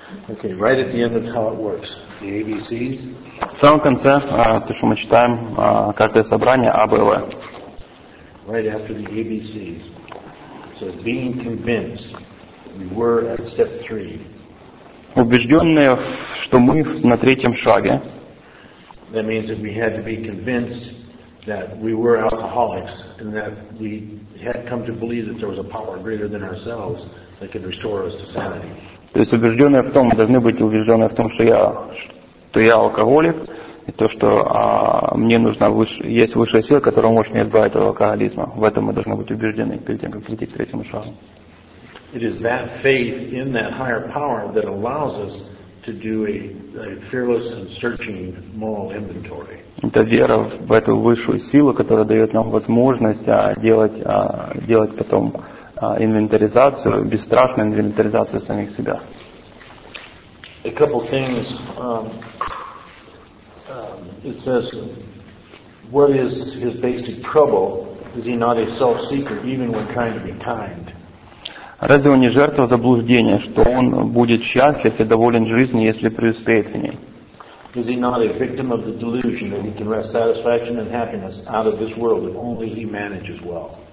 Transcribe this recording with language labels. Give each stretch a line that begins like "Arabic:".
English: Okay, right at the end of how it works. The ABCs.
Russian: В самом конце, то, что мы читаем, каждое собрание А, Б, В.
English: Right after the ABCs. So being convinced we were at step three.
Russian: Убежденные, что мы на третьем шаге.
English: That means that we had to be convinced that we were alcoholics and that we had come to believe that there was a power greater than ourselves. They can restore us to sanity.
Russian: То есть убежденные в том, мы должны быть убежденные в том, что я алкоголик, и то, что мне нужна есть высшая сила, которая может меня избавить от алкоголизма. В этом мы должны быть убеждены перед тем, как прийти к третьему шагу.
English: It is that faith in that higher power that allows us to do a fearless and searching moral inventory.
Russian: Это вера в эту высшую силу, которая дает нам возможность делать потом инвентаризацию, бесстрашную инвентаризацию самих себя.
English: A couple things. It says, what is his basic trouble? Is he not a self-seeker, even when trying to be kind?
Russian: Разве он не жертва заблуждения, что он будет счастлив и доволен жизнью, если преуспеет в ней?
English: Is he not a victim of the delusion that he can wrest satisfaction and happiness out of this world if only he manages well?